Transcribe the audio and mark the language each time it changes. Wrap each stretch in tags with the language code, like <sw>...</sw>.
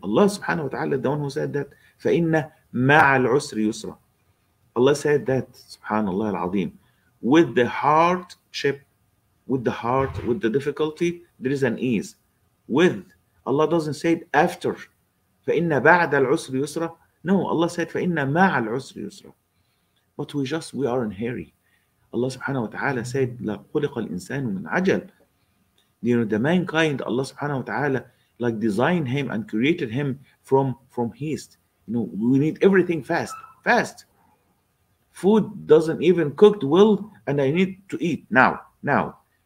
<en>Allah subhanahu wa ta'ala, the one who said that,</en> <ar>فَإِنَّ مَعَ الْعُسْرِ يُسْرًا.</ar> <en>Allah said that, subhanallah al-azim. With the hardship, with the heart, with the difficulty, there is an ease. With, Allah doesn't say it after.</en> <ar>فَإِنَّ بَعْدَ الْعُسْرِ يُسْرًا.</ar> <en>No, Allah said,</en> <ar>فَإِنَّ مَعَ الْعُسْرِ يُسْرًا.</ar> <en>But we are in hurry. Allah subhanahu wa ta'ala said,</en> <ar>لَقُلِقَ الْإِنسَانُ مِنْ عَجَلٍ.</ar> <en>You know, the mankind, Allah subhanahu wa ta'ala, like designed him and created him from haste. You know, we need everything fast. Food doesn't even cook well, and I need to eat now.</en>